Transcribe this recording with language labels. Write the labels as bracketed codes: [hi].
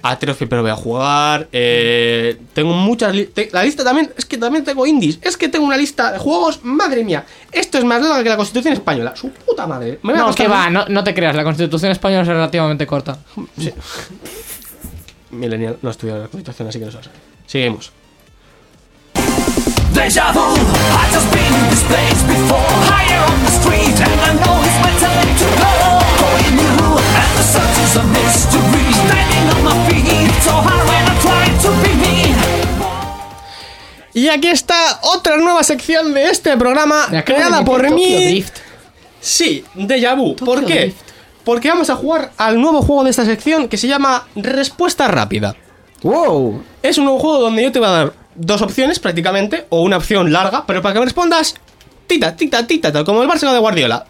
[es] A Tale of Paper voy a jugar. Tengo muchas. La lista también. Es que también tengo indies. Es que tengo una lista de juegos. Madre mía. Esto es más larga que la Constitución Española. Su puta madre. Me voy a costar. No te creas. La Constitución Española es relativamente corta. Sí. Millennial no ha estudiado la Constitución, así que no sabes. Seguimos. [en] Deja vu, I've just been in this place before. Higher on the street, and I know it's my time to go. Calling you, and the search is a mystery. Standing on my feet, it's so hard when I try to be me. [es] Y aquí está otra nueva sección de este programa, creada por mí. Sí, Deja vu, ¿por qué? Porque vamos a jugar al nuevo juego de esta sección que se llama Respuesta Rápida. ¡Wow! Es un nuevo juego donde yo te voy a dar dos opciones prácticamente, o una opción larga, pero para que me respondas, tita, tita, tita, tita, como el Barça de Guardiola.